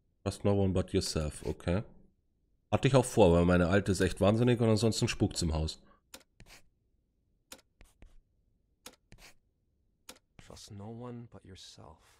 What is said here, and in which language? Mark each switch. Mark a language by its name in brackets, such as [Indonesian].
[English] Trust no one but yourself, okay. [German] Hatte ich auch vor, weil meine Alte ist echt wahnsinnig und ansonsten spukt's im Haus. [English] Trust no one but yourself.